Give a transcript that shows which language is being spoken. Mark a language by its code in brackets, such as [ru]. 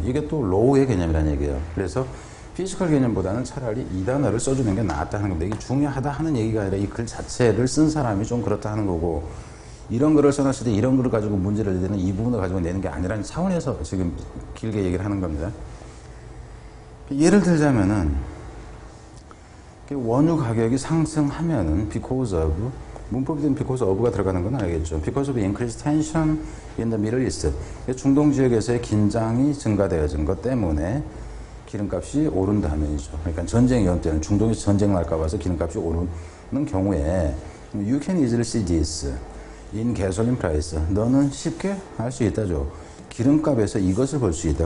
[ko] 이게 또 로우의 개념이라는 얘기예요. 그래서 피지컬 개념보다는 차라리 이 단어를 써주는 게 낫다는 건데 이게 중요하다 하는 얘기가 아니라 이 글 자체를 쓴 사람이 좀 그렇다 하는 거고 이런 글을 써놨을 때 이런 글을 가지고 문제를 내는 이 부분을 가지고 내는 게 아니라는 차원에서 지금 길게 얘기를 하는 겁니다. 예를 들자면은 원유 가격이 상승하면은 because of 문법이든 because of가 들어가는 건 알겠죠. [en] Because of increased tension in the Middle East. [ko] 중동 지역에서의 긴장이 증가되어진 것 때문에 기름값이 오른다면이죠. 그러니까 전쟁 위험 때는 중동에서 전쟁 날까 봐서 기름값이 오르는 경우에 [en] You can easily see this in gasoline price. [ko] 너는 쉽게 알 수 있다죠. 기름값에서 이것을 볼 수 있다.